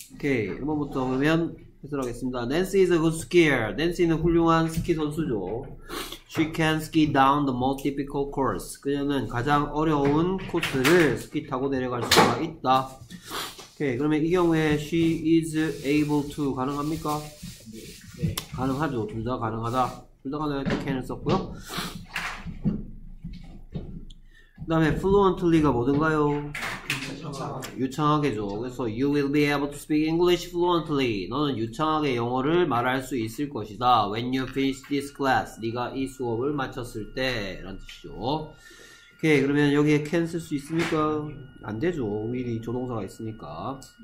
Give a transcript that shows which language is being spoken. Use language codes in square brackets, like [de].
[ko] 오케이, 1번부터 보면 해설하겠습니다. [en] Nancy is a good skier. Nancy는 [ko] 훌륭한 스키 선수죠. [en] She can ski down the most difficult course. [ko] 그녀는 가장 어려운 코스를 스키 타고 내려갈 수가 있다. 오케이, 그러면 이 경우에 [en] she is able to [ko] 가능합니까? 네. 가능하죠. 둘 다 가능하다. 둘 다 가능하다. can을 썼고요. 그 다음에 fluently가 뭐든가요? 유창하게죠. 그래서 [en] you will be able to speak English fluently. [ko] 너는 유창하게 영어를 말할 수 있을 것이다. [en] When you finish this class, [ko] 네가 이 수업을 마쳤을 때 라는 뜻이죠. 오케이, 그러면 여기에 can 쓸 수 있습니까? 안 되죠. 오히려 조동사가 있으니까.